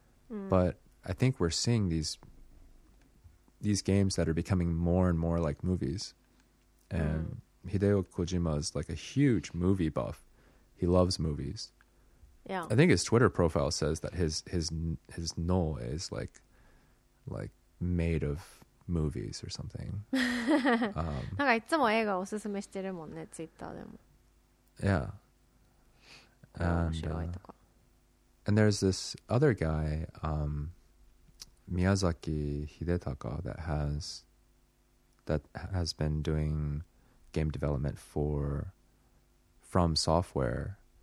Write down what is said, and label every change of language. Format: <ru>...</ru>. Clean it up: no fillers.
<en>But I think we're seeing these games that are becoming more and more like movies. And Hideo Kojima is like a huge movie buff. He loves movies. Yeah. I think his Twitter profile says that his null is like made of movies or something.</en> <ja>なんかいつも映画おすすめしてるもんね、ツイッターでも。</ja> <en>Yeah. And there's this other guy, Miyazaki Hidetaka, that has been doing game development from Software.</en>